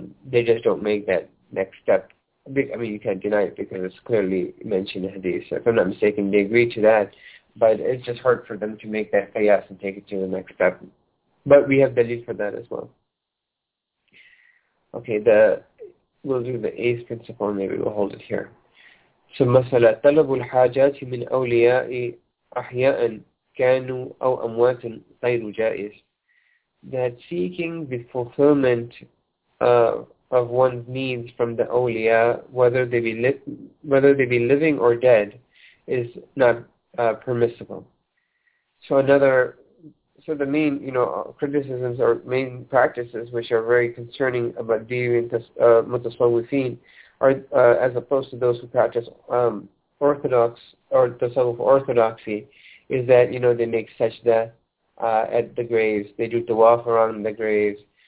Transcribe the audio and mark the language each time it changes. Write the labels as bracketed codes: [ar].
[en] They just don't make that next step. I mean, you can't deny it because it's clearly mentioned in hadith. So if I'm not mistaken, they agree to that. But it's just hard for them to make that qiyas and take it to the next step. But we have dalil for that as well. Okay, we'll do the eighth principle. Maybe we'll hold it here. [ar] So, مسألة طلب الحاجات من أولياء أحياء كانوا أو أموات غير جائز. [en] That seeking the fulfillment of one's needs from the awliya, whether they be living or dead, is not permissible. So the main, you know, criticisms or main practices which are very concerning about dealing with mutasawwifin are as opposed to those who practice orthodox or tasawwuf orthodoxy, is that, you know, they make sajda at the graves, they do tawaf around the graves,